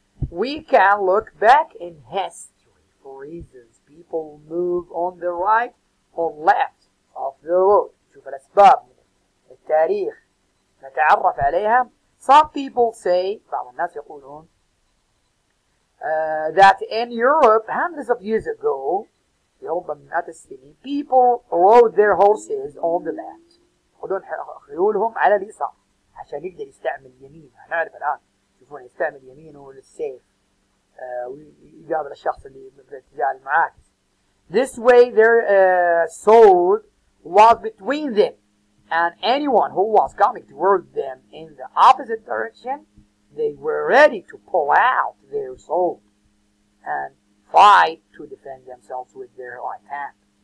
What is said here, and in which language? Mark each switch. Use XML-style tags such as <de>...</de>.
<en>We can look back in history for reasons. People move on the right or left of the road.</en> <ar>شوف الأسباب من التاريخ نتعرف عليها.</ar> <en>Some people say,</en> <ar>بعض الناس يقولون,</ar> <en>that in Europe, hundreds of years ago,</en> <ar>في أوروبا من مئات السنين,</ar> <en>people rode their horses on the left.</en> <ar>يأخذون خيولهم على اليسار عشان يقدر يستعمل يمين. نعرف الآن يشوفون يستعمل يمينه للسيف ويقابل الشخص اللي بالاتجاه المعاكس.</ar> <en>This way their sword was between them and anyone who was coming towards them in the opposite direction, they were ready to pull out their sword and fight to defend themselves with their right hand.</en>